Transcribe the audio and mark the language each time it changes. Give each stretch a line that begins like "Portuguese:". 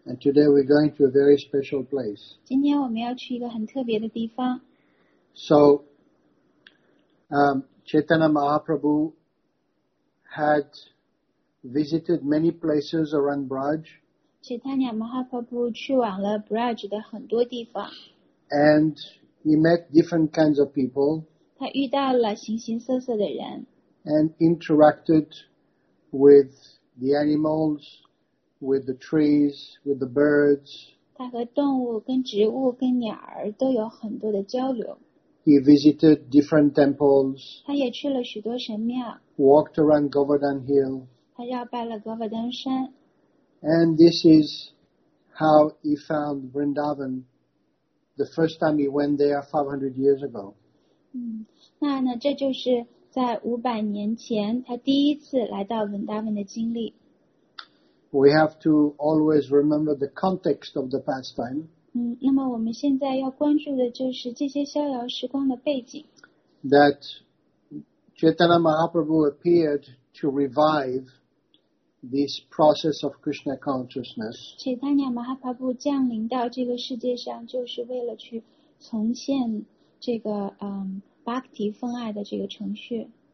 English: And today we're going to a very special place.
Chinese: 今天我们要去一个很特别的地方。
English: So, Chaitanya Mahaprabhu had visited many places around Braj.
Chinese: Chaitanya Mahaprabhu 去往了 Braj 的很多地方。
English: And he met different kinds of people.
Chinese: 他遇到了形形色色的人。
English: And interacted with the animals, with the trees, with the birds.
Chinese: 他和动物、跟植物、跟鸟儿都有很多的交流。
English: He visited different temples.
Chinese: 他也去了许多神庙。
English: Walked around Govardhan Hill.
Chinese: 他绕拜了 Govardhan 山。
English: And this is how he found Vrindavan the first time he went there 500 years ago.
Chinese: 那这就是在五百年前他第一次来到文达文的经历。
English: We have to always remember the context of the pastime.
Chinese: 那么我们现在要关注的就是这些逍遥时光的背景。
English: That Chaitanya Mahaprabhu appeared to revive this process of Krishna consciousness.
Chinese: Chaitanya Mahaprabhu 降临到这个世界上就是为了去重现这个Bhakti 分爱的这个程序